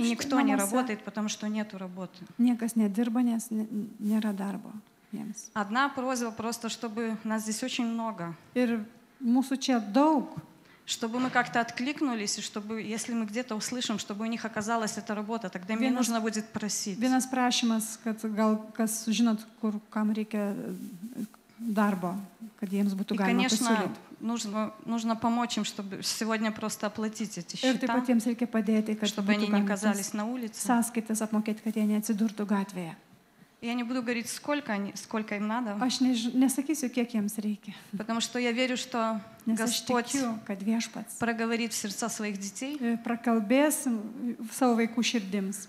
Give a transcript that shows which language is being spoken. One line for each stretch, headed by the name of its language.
Russian: И никто не работает, потому что нету работы.
Lithuanian: Niekas nedirba, nes nėra darbo. Jiems.
Russian: Одна просьба просто, чтобы нас здесь очень много.
Lithuanian: Ir mūsų čia daug.
Russian: Чтобы мы как-то откликнулись, и чтобы, если мы где-то услышим, чтобы у них оказалась эта работа, тогда мне нужно будет просить.
Lithuanian: Vienas prašymas, kad gal kas žinot, kur, kam reikia darbo, kad jiems būtų galima pasiūlyti.
Russian: И, конечно, нужно помочь им, чтобы сегодня просто оплатить эти счета.
Lithuanian: Ir taip pat jiems reikia padėti, kad
Russian: чтобы они не оказались на улице.
Lithuanian: Sąskaitas apmokėti, kad jie neatsidurtų gatvėje.
Russian: Я не буду говорить, сколько им надо.
Lithuanian: Aš nesakysiu, kiek jiems reikia.
Russian: Потому что я верю, что Господь проговорит в сердца своих детей.
Lithuanian: Prakalbės savo vaikų širdims.